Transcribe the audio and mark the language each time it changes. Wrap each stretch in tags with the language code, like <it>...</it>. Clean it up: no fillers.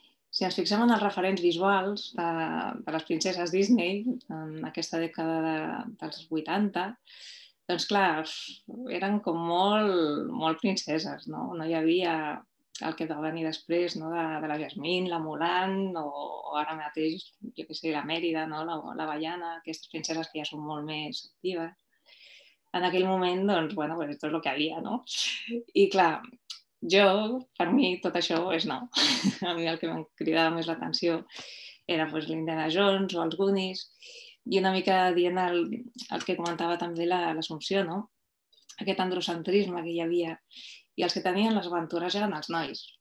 <ca>Si ens fixem en els referents visuals de les princeses Disney en aquesta dècada dels 80, doncs clar, eren com molt, molt princeses. No? No hi havia el que va venir després, no? de la Jasmine, la Mulan, o ara mateix, jo què sé, la Mèrida, no? la Baiana, aquestes princeses que ja són molt més actives. En aquell moment, doncs,</ca> <es>bueno, pues esto es lo que había, no?</es> <ca>I clar, jo, per mi, tot això és nou. A mi el que em cridava més l'atenció era pues, l'Indiana Jones o els Goonies, i una mica dient el que comentava també l'Assumpció, no? Aquest androcentrisme que hi havia. I els que tenien les aventures eren els nois.</ca>